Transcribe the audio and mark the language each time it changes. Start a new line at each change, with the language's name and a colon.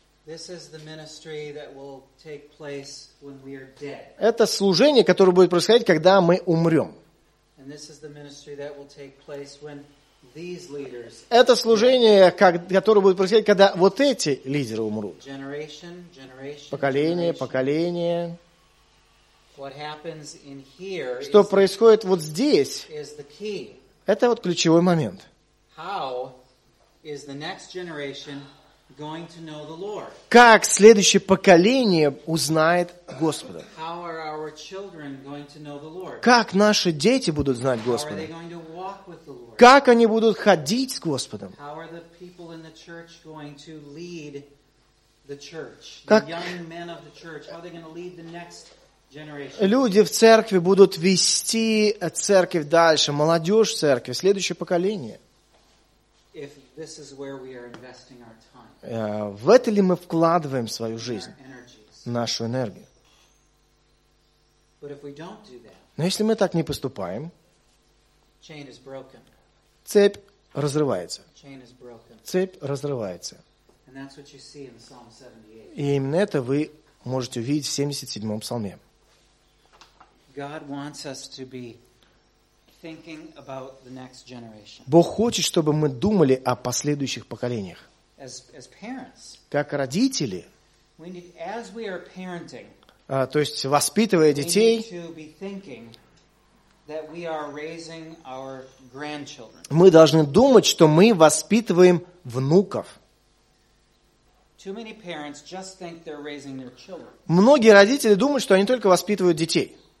English: This is the ministry that will take place when we are dead.
Russian: Это служение, которое будет происходить, когда мы умрем.
English: And this is the ministry that will take place when these leaders.
Russian: Это служение, которое будет происходить, когда вот эти лидеры умрут. Поколение, поколение.
English: What happens in here?
Russian: Что происходит вот здесь?
English: Is the key.
Russian: Это вот ключевой момент.
English: How is the next generation going to know the Lord?
Russian: Как следующее поколение узнает Господа?
English: How are our children going to know the Lord?
Russian: Как наши дети будут знать Господа?
English: How are they going to walk with the Lord?
Russian: Как они будут ходить с Господом?
English: How are the people in the church going to lead the church?
Russian: Как
English: young men of the church, how are they going to lead the next
Russian: люди в церкви будут вести церковь дальше, молодежь в церкви, следующее поколение. В это ли мы вкладываем свою жизнь, нашу энергию? Но если мы так не поступаем, цепь разрывается. Цепь разрывается. И именно это вы можете увидеть в 77-м псалме.
English: God wants us to be thinking about the next generation.
Russian: Бог хочет, чтобы мы думали о последующих поколениях.
English: As parents,
Russian: как родители,
English: we need, as we are parenting,
Russian: то есть воспитывая детей,
English: we need to be thinking that we are raising our grandchildren.
Russian: Мы должны думать, что мы воспитываем внуков.
English: Too many parents just think they're raising their children.
Russian: Многие родители думают, что они только воспитывают детей.